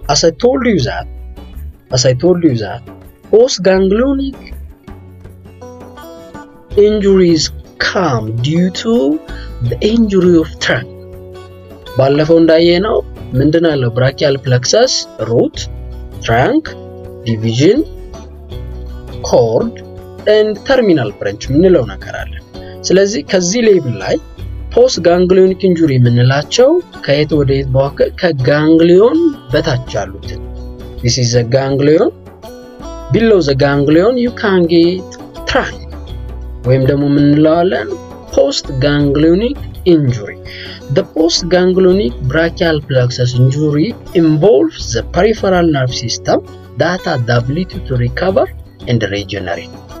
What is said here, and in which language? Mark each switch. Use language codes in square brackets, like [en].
[en] As I told you that postganglionic injuries come due to the injury of trunk. [am] ባለፈው እንዳየነው ምንድን አለው [en] brachial plexus root trunk division cord and terminal branch [am] ምንለው ነገር አለ. ስለዚህ ከዚህ ሌብል ላይ post ganglionic injury ምንላቸው ከየት ወደ የት በኋላ ከganglion በታች አሉት. [en] This is a ganglion. Below the ganglion you can get trunk [am] ወይም ደግሞ ምንለው አለ [en] post ganglionic injury. The post ganglionic brachial plexus injury involves the peripheral nerve system that has ability to recover and regenerate.